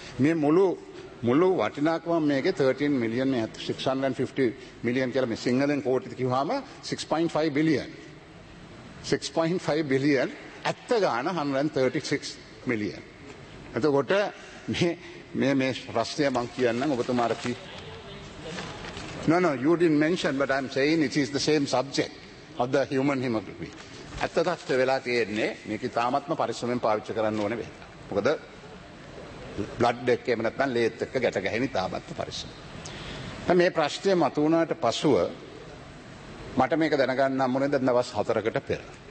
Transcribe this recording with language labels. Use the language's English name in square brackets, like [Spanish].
[Sinhala] මේ මුළු වටිනාකම මේකේ 13 million 650 million කියලා මේ සිංහලෙන් කෝටි කිව්වහම [English] 6.5 billion 6.5 billion [Sinhala] ඇත්ත ගාන 136 million. එතකොට මේ ප්‍රශ්නය මම කියන්නම් ඔබතුමාට. [English] No, you didn't mention but I'm saying it is the same subject of the human hemoglobin. [Sinhala] ඇත්ත තත්ත්ව වෙලා තියෙන්නේ මේක තාමත්ම පරිස්සමෙන් පාවිච්චි කරන්න ඕනේ වෙයි. මොකද බ්ලඩ් එක එහෙම නැත්නම් ලේත් එක ගැට ගැහෙන ඉතාමත් පරිස්සම. දැන් මේ ප්‍රශ්නේ මතු වුණාට පසුව මට මේක දැනගන්න හම්බ වුණේ දවස් 4කට පෙර.